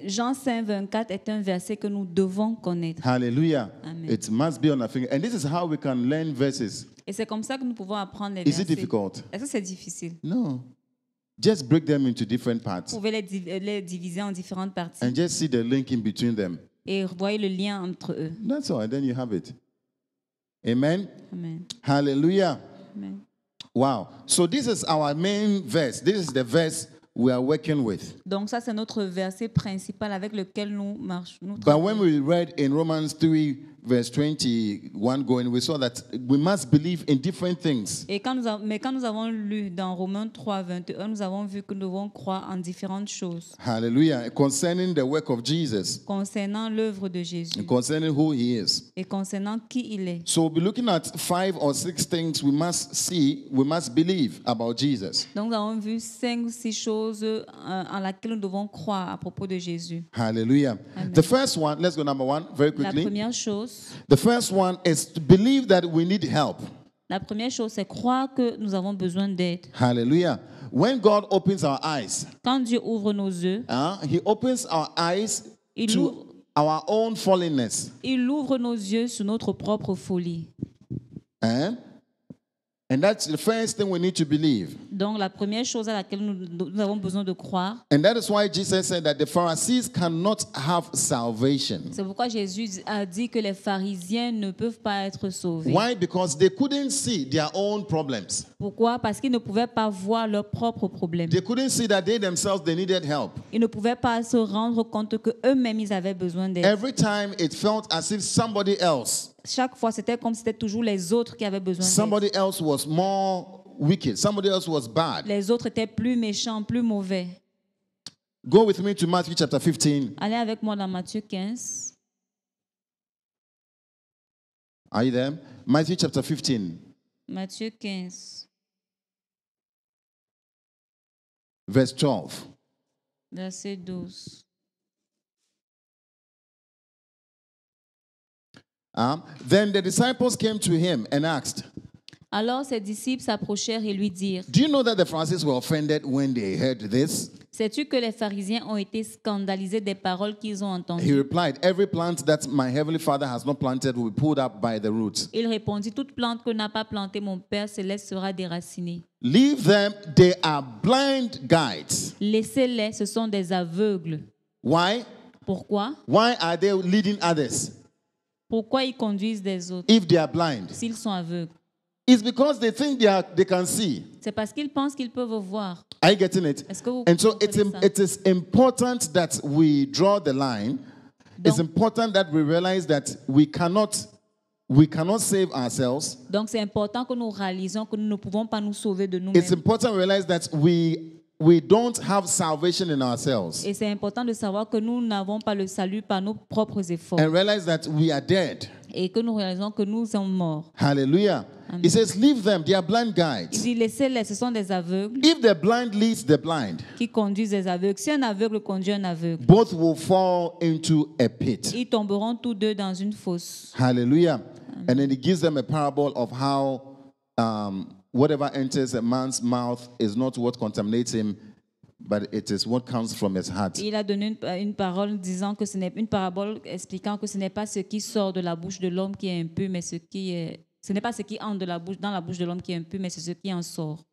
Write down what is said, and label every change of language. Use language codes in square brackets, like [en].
[fr] Jean 5, 24 est un verset que nous devons connaître. [en] Hallelujah. Amen. It must be on our finger. And this is how we can learn verses. [fr] Et c'est comme ça que nous pouvons apprendre les [en] is [fr] versets. [en] Is it difficult? [fr] Est-ce que c'est difficile? [en] No. Just break them into different parts. [fr] Vous pouvez les diviser en différentes parties. [en] And just see the link in between them. [fr] Et voyez le lien entre eux. [en] That's all. And then you have it. Amen. Amen. Hallelujah. Amen. Wow. So this is our main verse. This is the verse we are working with. [fr] Donc ça c'est notre verset principal avec lequel nous marchons. [en] But when we read in Romans 3 verse 21 going, we saw that we must believe in different things. [fr] Et quand nous avons lu dans Romains 3 21, nous avons vu que nous devons croire en différentes choses. [en] Hallelujah. Concerning the work of Jesus. [fr] Concernant l'œuvre de Jésus. [en] And concerning who he is. [fr] Et concernant qui il est. [en] So we'll be looking at 5 or 6 things we must see, we must believe about Jesus. [fr] Donc nous avons vu 5 ou 6 choses en laquelle nous devons croire à propos de Jésus. [en] Hallelujah. Amen. The first one, let's go number 1 very quickly. [fr] La première chose. [en] The first one is to believe that we need help. [fr] La première chose, c'est croire que nous avons besoin d'aide. [en] Hallelujah. When God opens our eyes, [fr] quand Dieu ouvre nos yeux, [en] he opens our eyes to our own fallenness. [fr] Il ouvre nos yeux sur notre propre folie. [en] And that's the first thing we need to believe. [fr] Donc la première chose à laquelle nous avons besoin de croire. [en] And that is why Jesus said that the Pharisees cannot have salvation. [fr] C'est pourquoi Jésus a dit que les pharisiens ne peuvent pas être sauvés. [en] Why? Because they couldn't see their own problems. [fr] Pourquoi? Parce qu'ils ne pouvaient pas voir leurs propres problèmes. [en] They couldn't see that they themselves they needed help. [fr] Ils ne pouvaient pas se rendre compte que eux-mêmes ils avaient besoin d'aide. [en] Every time it felt as if somebody else. [fr] Chaque fois, c'était comme c'était toujours les autres qui avaient besoin. [en] Somebody else was more wicked. Somebody else was bad. [fr] Les autres étaient plus méchants, plus mauvais. [en] Go with me to Matthew chapter 15. [fr] Allez avec moi dans Matthieu 15. [en] Are you there? Matthew chapter 15. [fr] Matthieu 15. [en] Verse 12. [fr] Verset 12. [en] Then the disciples came to him and asked. [fr] Alors ses disciples s'approchèrent et lui dirent. [en] Do you know that the Pharisees were offended when they heard this? [fr] Sais-tu que les pharisiens ont été scandalisés des paroles qu'ils ont entendues? [en] He replied, every plant that my heavenly Father has not planted will be pulled up by the roots. [fr] Il répondit, toute plante que n'a pas plantée mon Père céleste sera déracinée. [en] Leave them, they are blind guides. [fr] Laissez-les, ce sont des aveugles. [en] Why? [fr] Pourquoi? [en] Why are they leading others? [fr] Pourquoi ils conduisent des autres? [en] If they are blind, [fr] s'ils sont aveugles, [en] it's because they think they can see. [fr] C'est parce qu'ils pensent qu'ils peuvent voir. [en] Are you getting it? [fr] Est-ce que vous [en] and so it's it is important that we draw the line. [fr] Donc, [en] it's important that we realize that we cannot save ourselves. [fr] Donc c'est important que nous réalisons que nous ne pouvons pas nous sauver de nous-mêmes. [en] It's important to realize that we don't have salvation in ourselves. [fr] Et c'est important de savoir que nous n'avons pas le salut par nos propres efforts. [en] And realize that we are dead. [fr] et que nous réalisons que nous sommes morts. [en] Hallelujah. Amen. He says, leave them, they are blind guides. [fr] Il dit, laissez-les, ce sont des aveugles. [en] If the blind leads the blind, [fr] qui conduisent les aveugles. Si un aveugle conduit un aveugle, [en] both will fall into a pit. [fr] Ils tomberont tous deux dans une fosse. [en] Hallelujah. Amen. And then he gives them a parable of how whatever enters a man's mouth is not what contaminates him, but it is what comes from his heart. [fr] Il a donné une parole disant que ce n'est une parabole expliquant que ce n'est pas ce qui sort de la bouche de l'homme qui est impur, mais ce qui est ce n'est pas ce qui entre dans la bouche de l'homme qui est impur, mais c'est ce qui en sort.